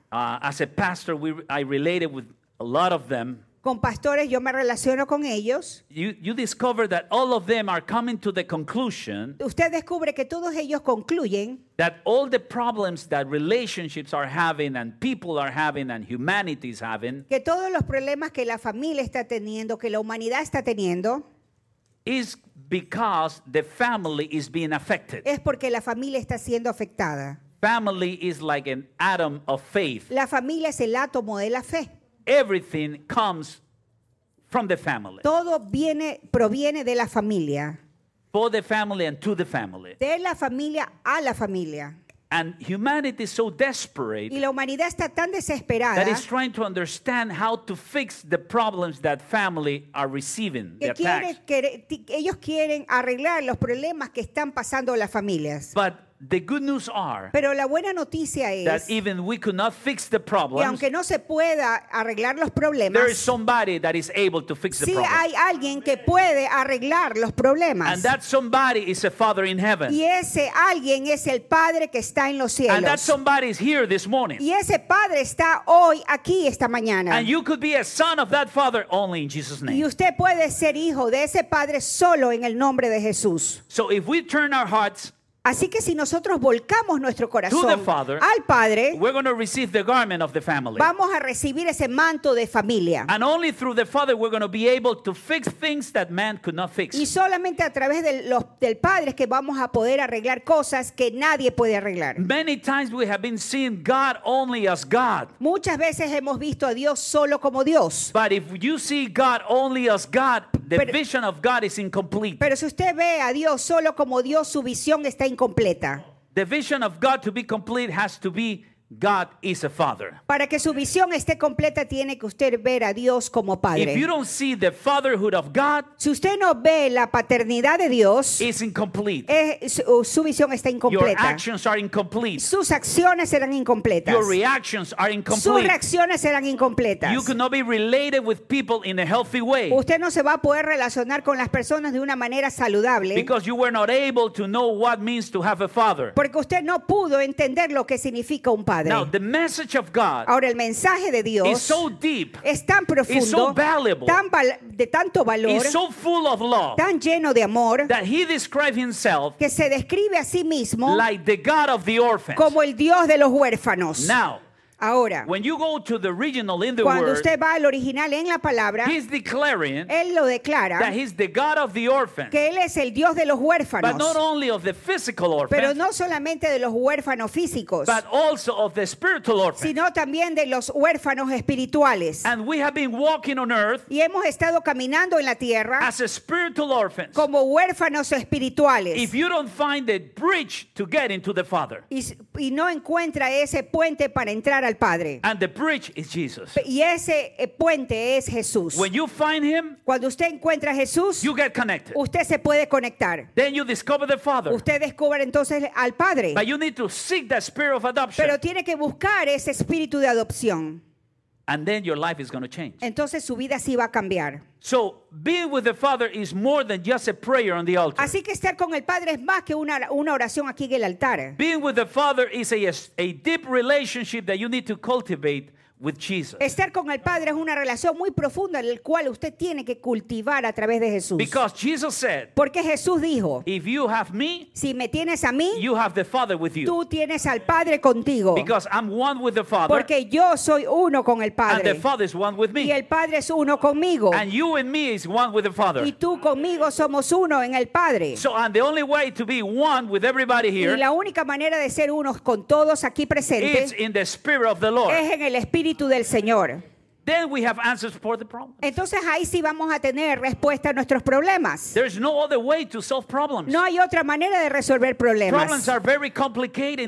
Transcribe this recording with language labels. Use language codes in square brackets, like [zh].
[en] as a pastor, I related with a lot of them. [es] Con pastores yo me relaciono con ellos. [en] You discover that all of them are coming to the conclusion. [es] Usted descubre que todos ellos concluyen [en] that all the problems that relationships are having and people are having and humanity is having [es] que todos los problemas que la familia está teniendo, que la humanidad está teniendo [en] is because the family is being affected. [es] Es porque la familia está siendo afectada. [en] Family is like an atom of faith. [es] La familia es el átomo de la fe. [en] Everything comes from the family. [es] Todo viene, proviene de la familia. [en] For the family and to the family. [es] De la familia a la familia. [en] And humanity is so desperate. [es] Y la humanidad está tan desesperada. [en] That is trying to understand how to fix the problems that family are receiving. [es] Que quiere, [en] attacks. [es] Ellos quieren arreglar los problemas que están pasando las familias. [en] But the good news are [es] pero la buena noticia es [en] that even we could not fix the problems, [es] y aunque no se pueda arreglar los problemas, [en] there is somebody that is able to fix [es] sí [en] the problems. [es] Hay alguien que puede arreglar los problemas. [en] And that somebody is a Father in heaven. [es] Y ese alguien es el Padre que está en los cielos. [en] And that somebody is here this morning. [es] Y ese Padre está hoy aquí esta mañana. [en] And you could be a son of that Father only in Jesus' name. [es] Y usted puede ser hijo de ese Padre solo en el nombre de Jesús. [en] So if we turn our hearts [es] así que si nosotros volcamos nuestro corazón [en] Father, [es] al Padre, [en] we're going to receive the garment of the family. [es] Vamos a recibir ese manto de familia. [en] And only through the Father we're going to be able to fix things that man could not fix. [es] Y solamente a través del Padre es que vamos a poder arreglar cosas que nadie puede arreglar. [en] Many times we have been seeing God only as God. [es] Muchas veces hemos visto a Dios solo como Dios. [en] But if you see God only as God, the vision of God is incomplete. [es] Pero si usted ve a Dios solo como Dios, su visión está incompleta. [en] The vision of God to be complete has to be God is a father. [es] Para que su visión esté completa, tiene que usted ver a Dios como padre. [en] If you don't see the fatherhood of God, [es] si usted no ve la paternidad de Dios, [en] it's incomplete. [es] Su visión está incompleta. [en] Your actions are incomplete. [es] Sus acciones serán incompletas. [en] Your reactions are incomplete. [es] Sus reacciones serán incompletas. [en] You cannot be related with people in a healthy way. [es] Usted no se va a poder relacionar con las personas de una manera saludable. [en] Because you were not able to know what means to have a father. [es] Porque usted no pudo entender lo que significa un padre. [en] Now the message of God. [es] Ahora el mensaje de Dios [en] is so deep. [es] Es tan profundo. [en] It's so valuable. [es] De tanto valor. [en] It's so full of love. [es] Tan lleno de amor. [en] That he describes himself. [es] Que se describe a sí mismo. [en] Like the God of the orphans. [es] Como el Dios de los huérfanos. [en] Now. [es] Ahora. [en] When you go to the original in the [es] cuando [en] word. [es] Usted va al original en la palabra. [en] He's declaring. [es] Él lo declara. [en] That he's the God of the orphans. [es] Que él es el Dios de los huérfanos. [en] But not only of the physical orphans. [es] Pero no solamente de los huérfanos físicos. [en] But also of the spiritual orphans. [es] Sino también de los huérfanos espirituales. [en] And we have been walking on earth. [es] Y hemos estado caminando en la tierra. [en] As a spiritual orphans. [es] Como huérfanos espirituales. [en] If you don't find the bridge to get into the Father. [es] Y no encuentra ese puente para entrar al Padre. [en] And the bridge is Jesus. [es] Y ese puente es Jesús. [en] When you find him, [es] cuando usted encuentra a Jesús, [en] you get connected. [es] Usted se puede conectar. [en] Then you discover the Father. [es] Usted descubre entonces al Padre. [en] But you need to seek the spirit of adoption. [es] Pero tiene que buscar ese espíritu de adopción. [en] And then your life is going to change. [es] Entonces su vida sí va a cambiar. [en] So being with the Father is more than just a prayer on the altar. [es] Así que estar con el Padre es más que una oración aquí en el altar. [en] Being with the Father is a deep relationship that you need to cultivate with Jesus. [es] Estar con el Padre es una relación muy profunda en la cual usted tiene que cultivar a través de Jesús. [en] Because Jesus said, [es] porque Jesús dijo, [en] if you have me, [es] si me tienes a mí, [en] you have the Father with you. [es] Tú tienes al Padre contigo. [en] Because I'm one with the Father. [es] Porque yo soy uno con el Padre. [en] And the Father is one with me. [es] Y el Padre es uno conmigo. [en] And you and me is one with the Father. [es] Y tú conmigo somos uno en el Padre. [en] So and the only way to be one with everybody here, [es] y la única manera de ser unos con todos aquí presentes, [en] is in the Spirit of the Lord. [es] Es en el Espíritu del Señor. [en] Then we have answers for the problems. [es] Entonces ahí sí vamos a tener respuesta a nuestros problemas. [en] There's no other way to solve problems. [es] No hay otra manera de resolver problemas. [en] Problems are very complicated